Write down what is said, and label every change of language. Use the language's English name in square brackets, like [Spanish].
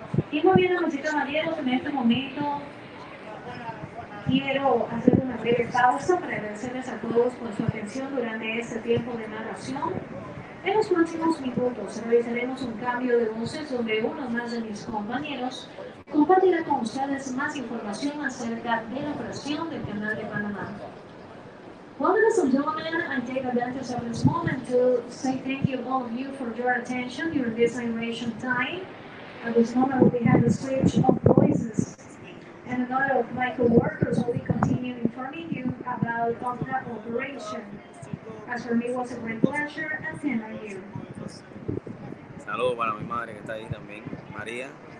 [Spanish] Y muy bien, damas y caballeros, en este momento quiero hacer una breve pausa para agradecerles a todos por su atención durante este tiempo de narración. En los próximos minutos realizaremos un cambio de voces donde uno más de mis compañeros compartirá con ustedes más información acerca de la operación del canal de Panamá. [English] Well, ladies and gentlemen, I take advantage of this moment to say thank you all of you for your attention during this animation time. At this moment, we have a switch of voices, and another of my co-workers will be continuing informing you about the operation. As for me, it was a great pleasure attending you. [Spanish] Saludos para mi madre que está ahí también, María.